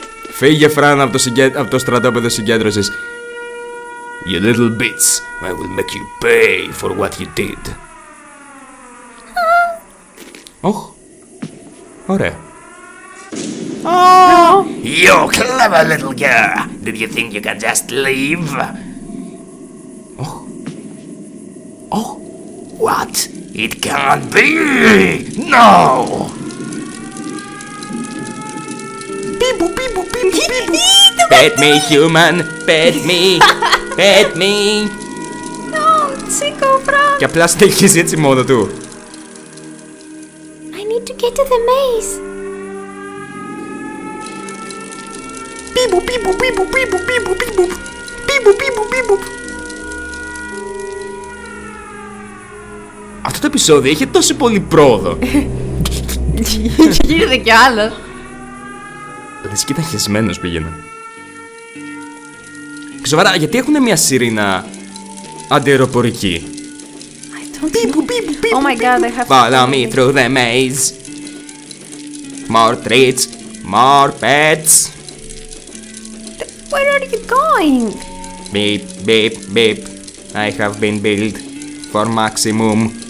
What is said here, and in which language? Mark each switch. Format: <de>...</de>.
<el>Φύγε, Φράν, από το στρατόπεδο συγκέντρωσης.</el> <en>You little bitch, I will make you pay for what you did.</en> <el>Oh, ωραία. Oh.</el> <en>You clever little girl, did you think you can just leave? Oh. Oh. What? It can't be! No! Pet me, human, pet me, pet me. No, Chico, Frank.</en> <el>Και απλά στέλνεις έτσι μόνο του.</el> <en>I need to get to the maze. Πίπου, πίπου, πίπου, πίπου, πίπου, πίπου, πίπου, πίπου, πίπου.</en> <el>Αυτό το επεισόδιο είχε τόσο πολύ πρόοδο. Γίνεται κι άλλο. Δες και ήταν χεσμένος πήγαινε. Σοβαρά, γιατί έχουν μια σιρήνα αντιεροπορική?</el> <en>Πίπου, πίπου, πίπου, oh my god, I have to... Follow me through the maze. More treats, more pets. Where are you going? Beep, beep, beep. I have been built for maximum...</en>